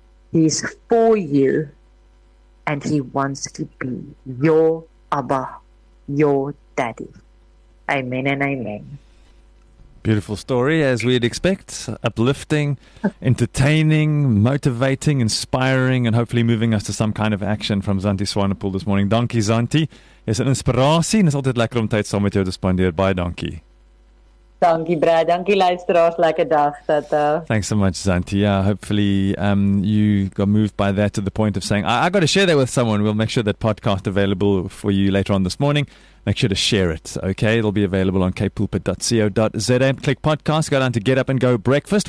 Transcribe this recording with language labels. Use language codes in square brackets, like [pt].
[en] He is for you and he wants to be your Abba, your Daddy. Amen and amen. Beautiful story, as we'd expect. Uplifting, entertaining, motivating, inspiring, and hopefully moving us to some kind of action from Zanti Swanepoel this morning. [af] Dankie, Zanti. Is 'n inspirasie en is altyd lekker om tyd saam met jou te spandeer. Baie dankie. Dankie, Brad. Dankie, luisteraars. Lekker dag, Tata. [en] Thanks so much, Zanti. Yeah, hopefully you got moved by that to the point of saying, I got to share that with someone. We'll make sure that podcast available for you later on this morning. Make sure to share it, okay? It'll be available on kpulpit.co.za. Click podcast, go down to Get Up and Go Breakfast.